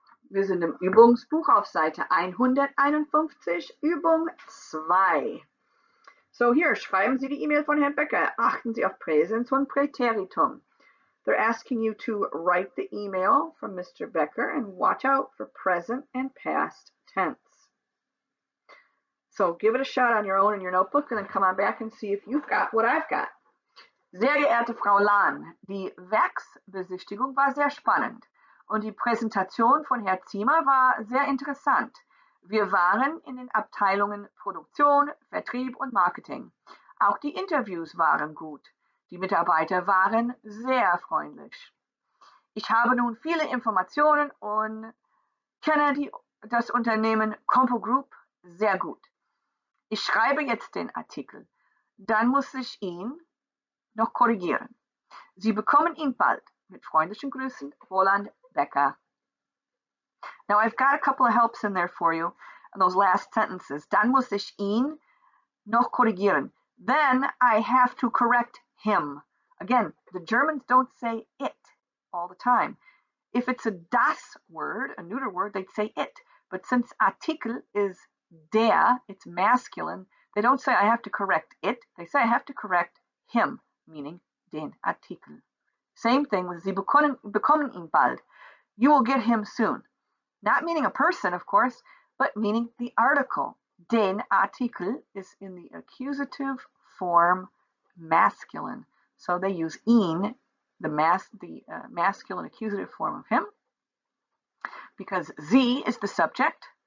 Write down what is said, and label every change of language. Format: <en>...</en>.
<de>Wir sind im Übungsbuch auf Seite 151, Übung 2. So, hier schreiben Sie die E-Mail von Herrn Becker. Achten Sie auf Präsens und Präteritum.</de> <en>They're asking you to write the email from Mr. Becker and watch out for present and past tense. So, give it a shot on your own in your notebook and then come on back and see if you've got what I've got.</en> <de>Sehr geehrte Frau Lahn, die Werksbesichtigung war sehr spannend. Und die Präsentation von Herrn Ziemer war sehr interessant. Wir waren in den Abteilungen Produktion, Vertrieb und Marketing. Auch die Interviews waren gut. Die Mitarbeiter waren sehr freundlich. Ich habe nun viele Informationen und kenne das Unternehmen Compo Group sehr gut. Ich schreibe jetzt den Artikel. Dann muss ich ihn noch korrigieren. Sie bekommen ihn bald. Mit freundlichen Grüßen, Roland Becker.</de> <en>Now, I've got a couple of helps in there for you in those last sentences.</en> <de>Dann muss ich ihn noch korrigieren.</de> <en>Then I have to correct him. Again, the Germans don't say it all the time. If it's a das word, a neuter word, they'd say it. But since Artikel is der, it's masculine, they don't say I have to correct it. They say I have to correct him, meaning</en> <de>den Artikel.</de> <en>Same thing with</en> <de>Sie bekommen ihn bald.</de> <en>You will get him soon. Not meaning a person, of course, but meaning the article.</en> <de>Den Artikel</de> <en>is in the accusative form masculine. So they use ihn, the masculine accusative form of him, because Sie is the subject.</en>